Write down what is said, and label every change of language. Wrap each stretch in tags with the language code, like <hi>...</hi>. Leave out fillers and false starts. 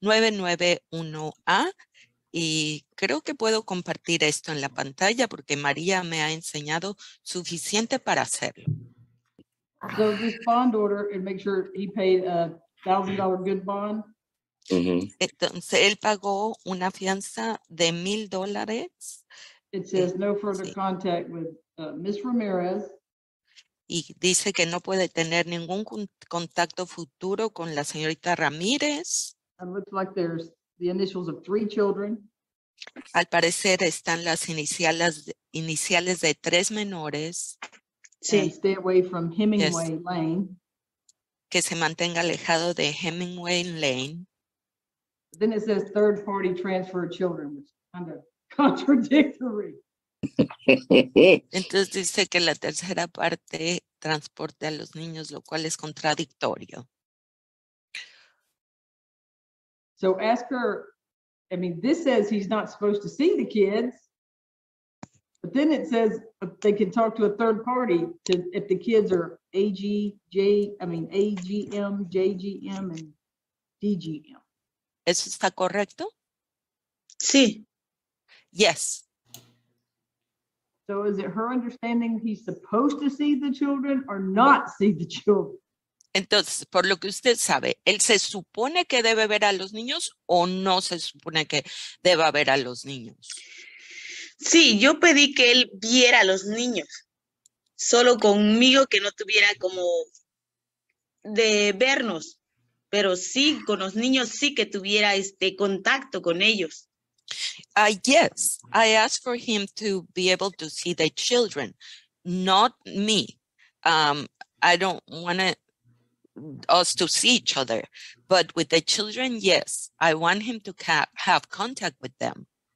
<es>213R000991A. Y creo que puedo compartir esto en la pantalla porque María me ha enseñado suficiente para hacerlo.</es> <en>So this bond order, and make sure he paid a $1,000 good bond.</en> <es>Mm-hmm. Entonces, él pagó una fianza de $1,000.</es> <en>It says no further sí. Contact with Ms. Ramirez.</en> <es>Y dice que no puede tener ningún contacto futuro con la señorita Ramirez.</es> <en>It looks like there's the initials of three children.</en> <es>Al parecer están las iniciales de tres menores.</es> <en>Sí. And stay away from Hemingway yes. Lane.</en> <es>Que se mantenga alejado de Hemingway Lane.</es> <en>But then it says third party transfer children, which is kind of contradictory.</en> <es>Entonces dice que la tercera parte transporte a los niños, lo cual es contradictorio.</es> <en>So ask her, I mean, this says he's not supposed to see the kids, but then it says they can talk to a third party to, if the kids are AGM, JGM, and DGM.</en> <es>¿Eso está correcto? Sí.</es> <en>Yes. So is it her understanding he's supposed to see the children or not see the children?</en> <es>Entonces, por lo que usted sabe, ¿él se supone que debe ver a los niños o no se supone que deba ver a los niños? Sí, yo pedí que él viera a los niños, solo conmigo, que no tuviera como de vernos, pero sí, con los niños sí que tuviera este contacto con ellos.</es> <en>Yes, I asked for him to be able to see the children, not me. I don't want to us to see each other, but with the children, yes, I want him to have contact with them.</en>